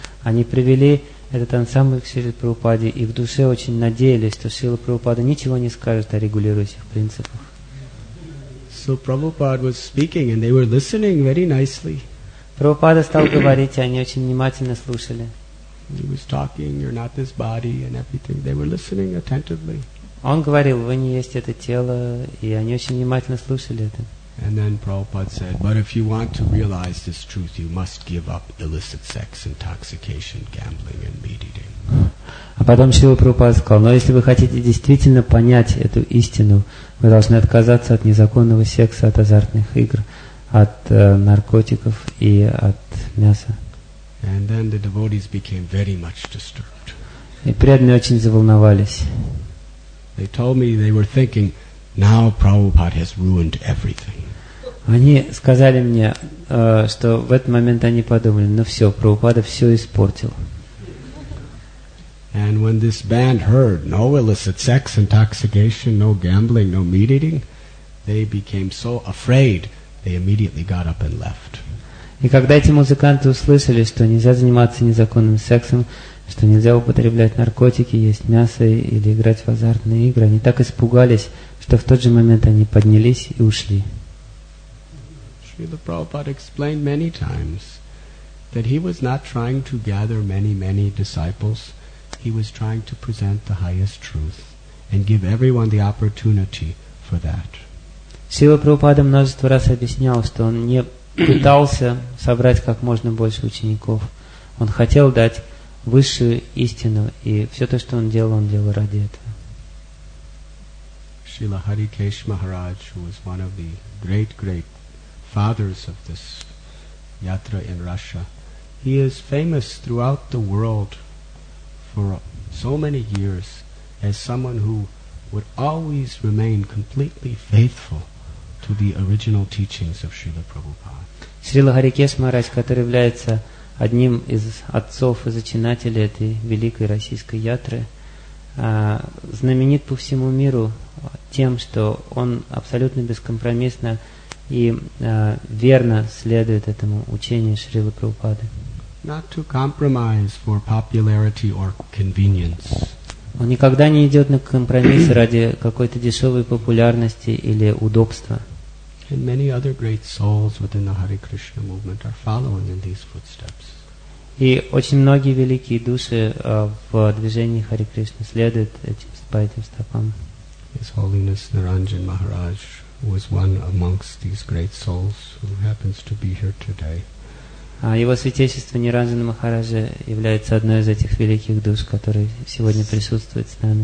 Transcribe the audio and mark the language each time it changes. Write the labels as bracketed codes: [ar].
[ru] Они привели этот ансамбль к Шриле Прабхупаде и в душе очень надеялись, что Шрила Прабхупада ничего не скажет о регулирующих принципах. [en] So Prabhupada was speaking, and they were listening very nicely. [ru] Прабхупада стал говорить, и они очень внимательно слушали. [en] He was talking, you're not this body, and everything. They were listening attentively. [ru] Он говорил, вы не есть это тело, и они очень внимательно слушали это. [en] And then Prabhupada said, but if you want to realize this truth, you must give up illicit sex, intoxication, gambling, and meat eating. [ru] А потом Шрила Прабхупада сказал, но если вы хотите действительно понять эту истину, вы должны отказаться от незаконного секса, от азартных игр, от наркотиков и от мяса. [en] And then the devotees became very much disturbed. [ru] И преданные очень заволновались. [en] They told me they were thinking, now Prabhupada has ruined everything. [ru] Они сказали мне, что в этот момент они подумали, ну все, Прабхупада все испортил. [en] And when this band heard no illicit sex, intoxication, no gambling, no meat eating, they became so afraid, they immediately got up and left. [ru] И когда эти музыканты услышали, что нельзя заниматься незаконным сексом, что нельзя употреблять наркотики, есть мясо или играть в азартные игры, они так испугались, что в тот же момент они поднялись и ушли. [en] Шрила Прабхупада explained many times that he was not trying to gather many, many disciples. He was trying to present the highest truth and give everyone the opportunity for that. [ru] Шрила Прабхупада множество раз объяснял, что он не пытался собрать как можно больше учеников. Он хотел дать высшую истину, и все то, что он делал ради этого. [en] Srila Harikesh Maharaj, who was one of the great, great fathers of this yatra in Russia, he is famous throughout the world for so many years as someone who would always remain completely faithful to the original teachings of Srila Prabhupada. [ru] Srila Harikesh Maharaj, который является одним из отцов и зачинателей этой великой российской ятры, знаменит по всему миру тем, что он абсолютно бескомпромиссно и верно следует этому учению Шрилы Прабхупады. [en] Not to compromise for popularity or convenience. [ru] Он никогда не идет на компромисс ради какой-то дешевой популярности или удобства. [en] And many other great souls within the Hare Krishna movement are following in these footsteps. [ru] И очень многие великие души в движении Хари Кришны следуют этим, по этим стопам. [en] His Holiness Naranjan Maharaj was one amongst these great souls who happens to be here today. [ru] Его святейшество Ниранджана Махараджа является одной из этих великих душ, которые сегодня присутствуют с нами.